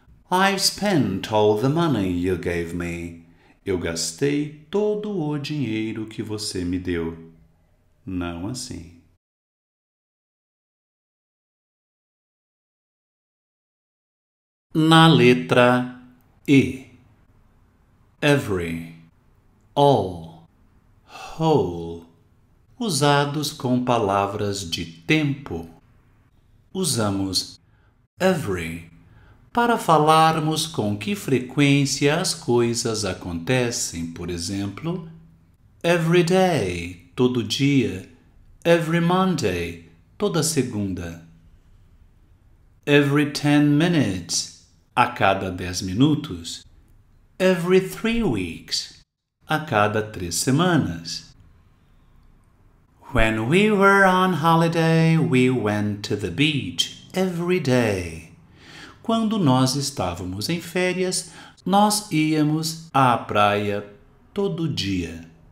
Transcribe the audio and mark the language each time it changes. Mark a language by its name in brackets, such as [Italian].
[English] I've spent all the money you gave me. [Portuguese] Eu gastei todo o dinheiro que você me deu. Não assim. Na letra E. Every. All. Whole. Usados com palavras de tempo. Usamos every para falarmos com que frequência as coisas acontecem. Por exemplo, every day, todo dia. Every Monday, toda segunda. Every 10 minutes, a cada 10 minutos. Every 3 weeks, a cada 3 semanas. [English] When we were on holiday, we went to the beach every day. [Portuguese] Quando nós estávamos em férias, nós íamos à praia todo dia.